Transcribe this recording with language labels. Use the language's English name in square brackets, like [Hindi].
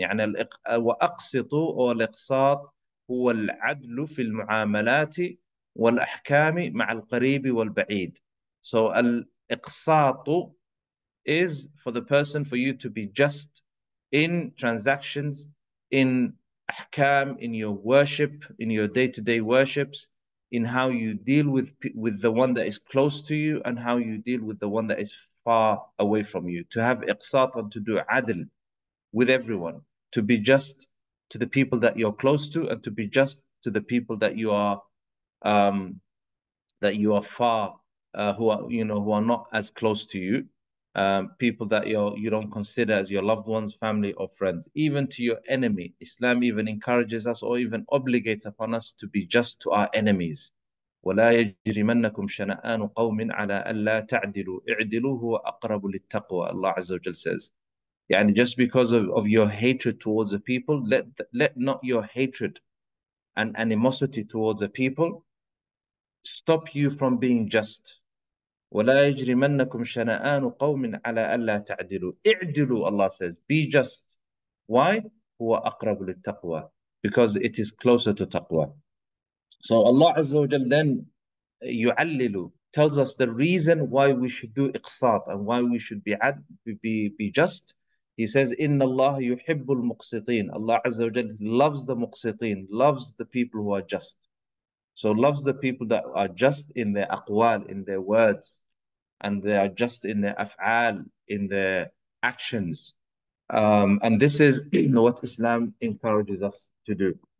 [Arabic] يعني وَأَقْسِطُوا أو الإقساط هو العدل في المعاملات والأحكام مع القريب والبعيد. [English] So الإقساط is for the person, for you to be just in transactions, in أحكام, in your worship, in your day-to-day worships, in how you deal with the one that is close to you and how you deal with the one that is far away from you. To have iqsat and to do adl with everyone. To be just to the people that you're close to and to be just to the people that you are far, who are not as close to you. People that you don't consider as your loved ones, family or friends. Even to your enemy. Islam even encourages us or even obligates upon us to be just to our enemies. [Arabic] ولا يجرمنكم شنآن قوم على ألا تعدلوا اعدلوا هو أقرب للتقوى. [English] Allah عز وجل says, يعني just because of your hatred towards the people, let not your hatred and animosity towards the people stop you from being just. [Arabic] ولا يجرمنكم شنآن قوم على ألا تعدلوا اعدلوا. [English] Allah says, be just. Why? [Arabic] هو أقرب للتقوى, [English] because it is closer to taqwa. So Allah Azza wa Jal then يعللو, tells us the reason why we should do iqsat and why we should be just. He says, [Arabic] إن الله يحب المقسطين. [English] Allah Azza wa Jal loves the مقسطين, loves the people who are just. So loves the people that are just in their aqwal, in their words, and they are just in their af'al, in their actions. And this is what Islam encourages us to do.